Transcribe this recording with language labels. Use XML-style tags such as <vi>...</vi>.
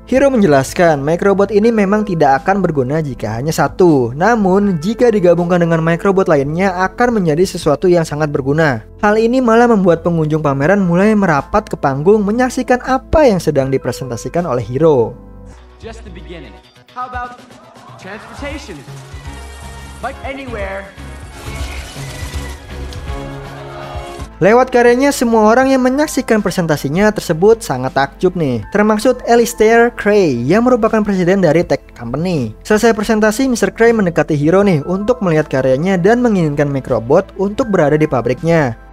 <id>Hiro menjelaskan, microbot ini memang tidak akan berguna jika hanya satu, namun jika digabungkan dengan microbot lainnya akan menjadi sesuatu yang sangat berguna. Hal ini malah membuat pengunjung pameran mulai merapat ke panggung menyaksikan apa yang sedang dipresentasikan oleh Hiro.</id> <en>Just the beginning. How about transportation, like anywhere.</en> <id>Lewat karyanya, semua orang yang menyaksikan presentasinya tersebut sangat takjub nih. Termasuk Alistair Cray yang merupakan presiden dari tech company. Selesai presentasi, Mr. Cray mendekati Hiro nih untuk melihat karyanya dan menginginkan microbot untuk berada di pabriknya.</id>